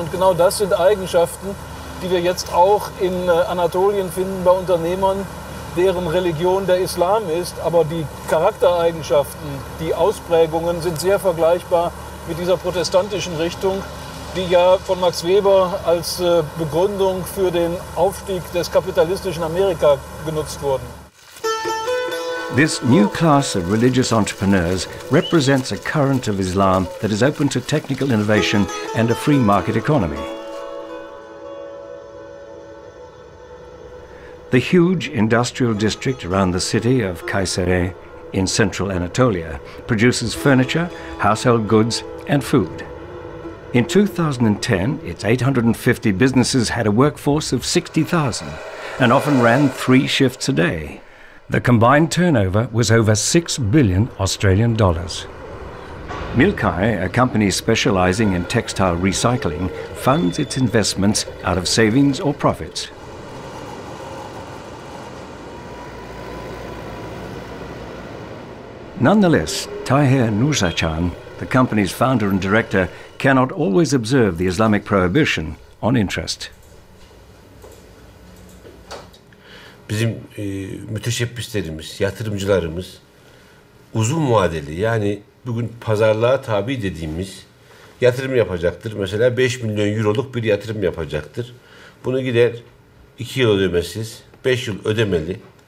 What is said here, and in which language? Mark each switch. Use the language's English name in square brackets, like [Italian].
[German] Und genau das sind Eigenschaften, die wir jetzt auch in Anatolien finden bei Unternehmern, deren Religion der Islam ist. Aber die Charaktereigenschaften, die Ausprägungen sind sehr vergleichbar mit dieser protestantischen Richtung, die ja von Max Weber als Begründung für den Aufstieg des kapitalistischen Amerika genutzt wurden. [English] This new class of religious entrepreneurs represents a current of Islam that is open to technical innovation and a free market economy. The huge industrial district around the city of Kayseri in central Anatolia produces furniture, household goods and food. In 2010, its 850 businesses had a workforce of 60,000 and often ran three shifts a day. The combined turnover was over 6 billion Australian dollars. Milkai, a company specializing in textile recycling, funds its investments out of savings or profits. Nonetheless, Tahir Nusachan, the company's founder and director, cannot always observe the Islamic prohibition on interest. [Turkish] Bizim müteşebbislerimiz, yatırımcılarımız uzun vadeli, yani bugün pazarlığa tabi dediğimiz yatırım yapacaktır. Mesela 5 milyon euroluk bir yatırım yapacaktır. Bunu gider 2 yıl ödemesiz, 5 yıl ödemeli.